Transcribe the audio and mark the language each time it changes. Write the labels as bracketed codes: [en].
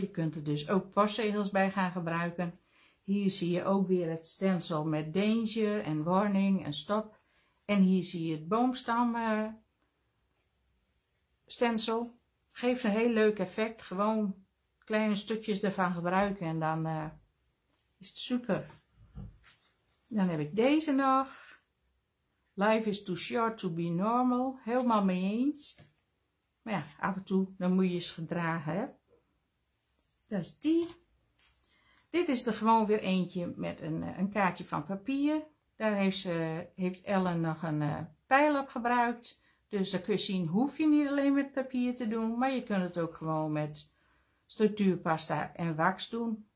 [nl] Je kunt er dus ook postzegels bij gaan gebruiken. Hier zie je ook weer het stencil met danger en warning en stop. En hier zie je het boomstam stencil. Geeft een heel leuk effect. Gewoon kleine stukjes ervan gebruiken en dan is het super. Dan heb ik deze nog. [en] Life is too short to be normal. [nl] Helemaal mee eens. Maar ja, af en toe, dan moet je eens gedragen. Hè? Dat is die. Dit is er gewoon weer eentje met een kaartje van papier. Daar heeft Ellen nog een pijl op gebruikt. Dus dan kun je zien, hoef je niet alleen met papier te doen. Maar je kunt het ook gewoon met structuurpasta en wax doen.